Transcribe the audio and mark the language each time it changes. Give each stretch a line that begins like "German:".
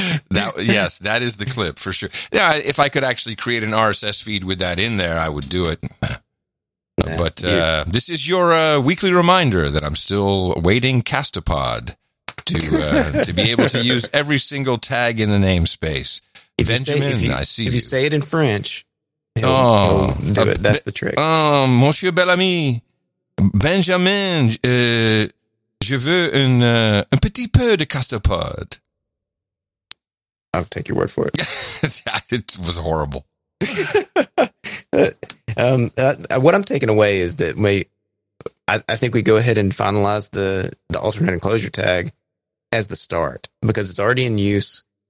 English: That is the clip for sure. Yeah, if I could actually create an RSS feed with that in there, I would do it. This is your weekly reminder that I'm still waiting Castapod to be able to use every single tag in the namespace. If you say it in French... that's the trick.
French: Monsieur Bellamy, Benjamin, je veux un petit peu de Castapod.
English: I'll take your word for it. It was horrible. What I'm taking away is that I think we go ahead and finalize the alternate enclosure tag as the start because it's already in use.